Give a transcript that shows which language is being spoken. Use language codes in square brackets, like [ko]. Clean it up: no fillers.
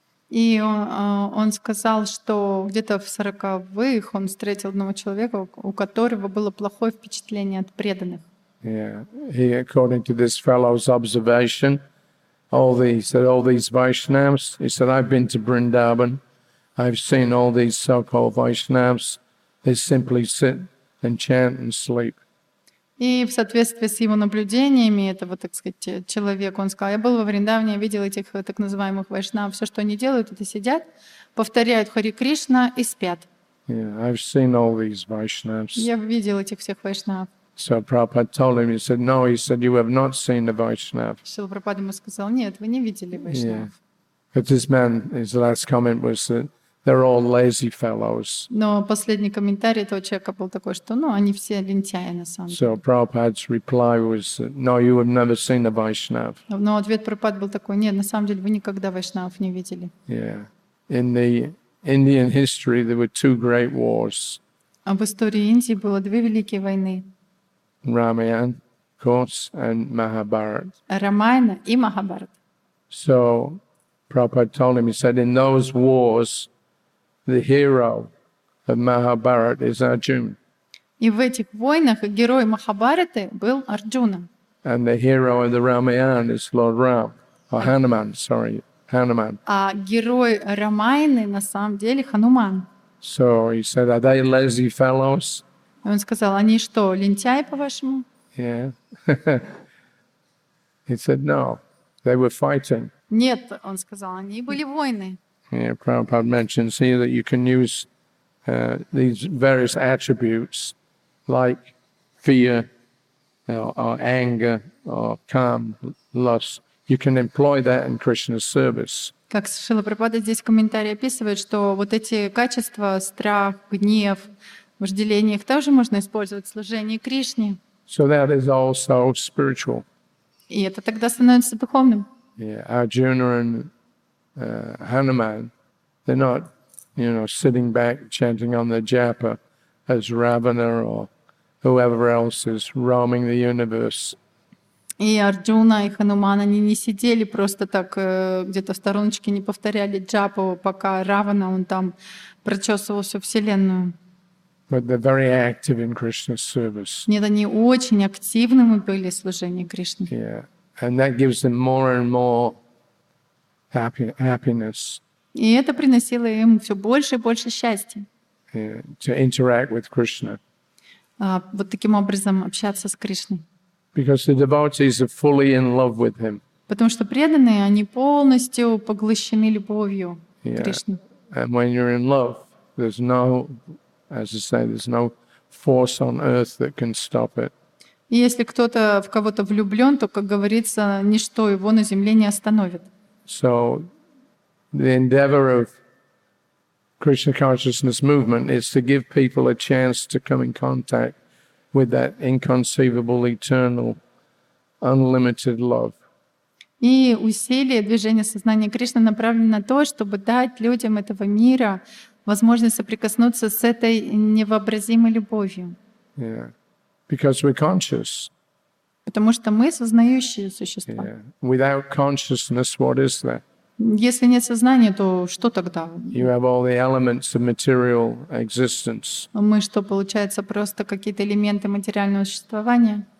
[ru] Он сказал, что где-то в 40-х он встретил одного человека, у которого было плохое впечатление от преданных. [en] Yeah, according to this fellow's observation, all these Vaishnavas, he said, I've been to Vrindavan, I've seen all these so-called Vaishnavas, they simply sit and chant and sleep. [ru] И в соответствии с его наблюдениями этого, так сказать, человека, он сказал, я был во Вриндаване, видел этих так называемых Вайшнав, все, что они делают, это сидят, повторяют Хари Кришна и спят. [en] Yeah, I've seen all these Vaishnavas. [ru] Я видел этих всех Вайшнав. [en] So Prabhupada told him, he said, no, he said, you have not seen the Vaishnav. [ru] Шрила Прабхупада ему сказал, нет, вы не видели Вайшнав. [en] Yeah. But this man, his last comment was that they're all lazy fellows. [ru] Но последний комментарий этого человека был такой, что, ну, они все лентяи на самом деле. [en] So Prabhupada's reply was, no, you have never seen the Vaishnav. [ru] Но ответ Прабхупады был такой, нет, на самом деле вы никогда Вайшнав не видели. [en] Yeah. In the Indian history, there were two great wars. [ru] А в истории Индии было две великие войны. [en] Ramayana, of course, and Mahabharata. [ru] Рамаяна и Махабхарата. [en] So Prabhupada told him, he said, in those wars, the hero of Mahabharata is Arjuna. [ru] И в этих войнах герой Махабхараты был Арджуна. [en] And the hero of the Ramayana is Lord Ram, or Hanuman, sorry, Hanuman. [ru] А герой Рамаяны на самом деле Хануман. [en] So he said, are they lazy fellows? [ru] Он сказал, они что, лентяи по-вашему? [en] Yeah. He said, no, they were fighting. [ru] Нет, он сказал, они были воины. [en] Yeah, Prabhupada mentions here that you can use these various attributes like fear or anger or calm, lust. You can employ that in Krishna's service. [ru] Как Шрила Прабхупада здесь в комментарии описывает, что вот эти качества, страх, гнев, вожделение, их тоже можно использовать в служении Кришне. [en] So that is also spiritual. [ru] И это тогда становится духовным. [en] Yeah, Arjuna and Hanuman, they're not, you know, sitting back chanting on their japa as Ravana or whoever else is roaming the universe. [ru] И Арджуна и Хануман, они не сидели просто так где-то в стороночке, не повторяли джапу, пока Равана, он там прочесывал всю Вселенную. [en] But they're very active in Krishna's service. [ru] Нет, они очень активными были в служении Кришне. [en] Yeah. And that gives them more and more happiness. [ru] И это приносило им все больше и больше счастья. [en] Yeah. To interact with Krishna. [ru] Вот таким образом общаться с Кришной. [en] Because the devotees are fully in love with him. [ru] Потому что преданные, они полностью поглощены любовью к Кришне. [en] And when you're in love, there's no, as I say, there's no force on earth that can stop it. [ru] И если кто-то в кого-то влюблен, то, как говорится, ничто его на земле не остановит. [en] So the endeavor of Krishna consciousness movement is to give people a chance to come in contact with that inconceivable, eternal, unlimited love. [ru] И усилия движения сознания Кришны направлены на то, чтобы дать людям этого мира возможность соприкоснуться с этой невообразимой любовью. [en] Yeah. Because we're conscious. [ru] Потому что мы сознающие существа. [en] Yeah. Without consciousness, what is there? [ru] Если нет сознания, то что тогда? [en] You have all the elements of material existence. [ru] Мы что, получается, просто какие-то элементы материального существования?